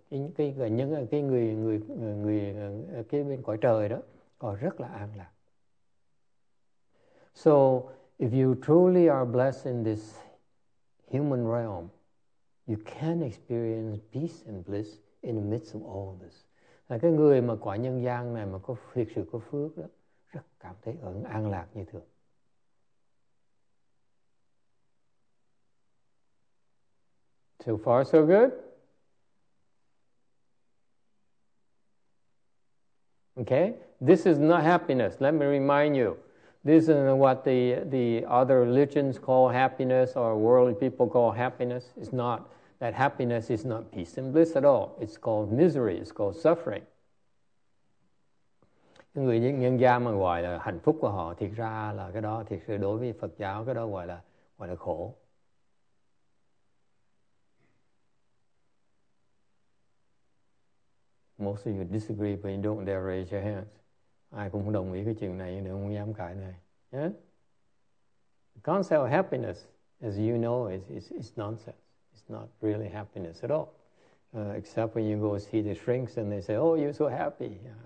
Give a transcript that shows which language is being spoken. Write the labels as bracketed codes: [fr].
[vi] Những cái người bên cõi trời đó họ rất là an lạc. [en] So if you truly are blessed in this human realm, you can experience peace and bliss in the midst of all of this. [vi] Là cái người mà quả nhân gian này mà có thiệt sự có phước đó rất cảm thấy ở an lạc như thường. [en] So far, so good. Okay, this is not happiness. Let me remind you, this is what the other religions call happiness, or worldly people call happiness. It's not that happiness is not peace and bliss at all. It's called misery. It's called suffering. [vi] Người nhân gian mà gọi là hạnh phúc của họ, thiệt ra là cái đó, thiệt sự đối với Phật giáo cái đó gọi là khổ. [en] Most of you disagree, but you don't dare raise your hands. [vi] Ai cũng không đồng ý cái chuyện này, nếu không dám cãi này. [en] Yeah? The concept of happiness, as you know, is nonsense. It's not really happiness at all. Except when you go see the shrinks and they say, oh, you're so happy.